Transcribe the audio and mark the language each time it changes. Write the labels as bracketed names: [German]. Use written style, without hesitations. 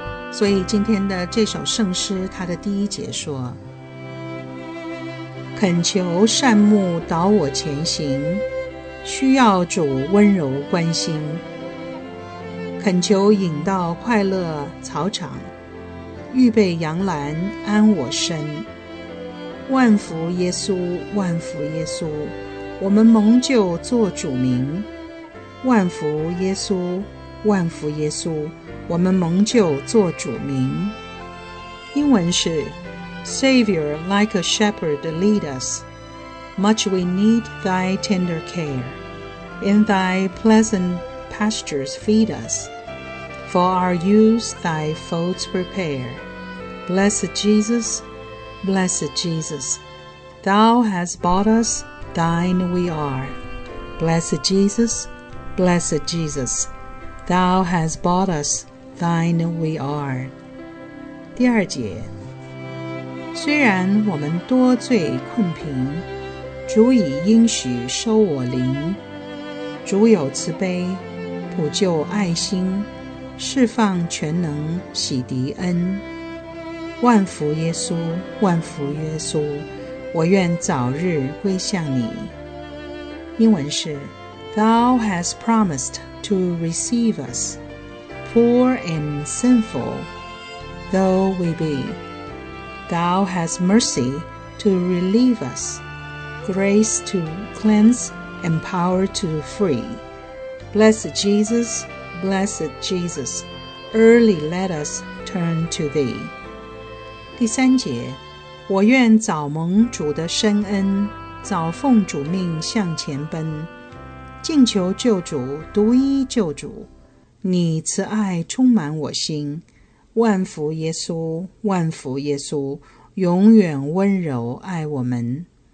[Chinese] 所以今天的这首圣诗，它的第一节说，恳求善牧导我前行，需要主温柔关心，恳求引到快乐草场，预备羊栏安我身。万福耶稣，万福耶稣，我们蒙救做主名。万福耶稣，万福耶稣，我们蒙救做主名。英文是 [English] Savior, like a shepherd lead us, much we need thy tender care, in thy pleasant pastures feed us, for our use thy folds prepare. Blessed Jesus, Blessed Jesus, Thou hast bought us, Thine we are. Blessed Jesus, Blessed Jesus, Thou hast bought us, Thine we are. [Chinese] 第二节，虽然我们多罪困贫，主已应许收我灵。主有慈悲，普救爱心，释放全能，洗涤恩。万福耶稣，万福耶稣，我愿早日归向你。英文是 [English] Thou hast promised to receive us, poor and sinful though we be. Thou hast mercy to relieve us, grace to cleanse and power to free. Blessed Jesus, blessed Jesus, early let us turn to thee. [Chinese] 第三节，我愿早蒙主的深恩，早奉主命向前奔，尽求救主，独一救主，你慈爱充满我心，万福耶稣，万福耶稣，永远温柔爱我们。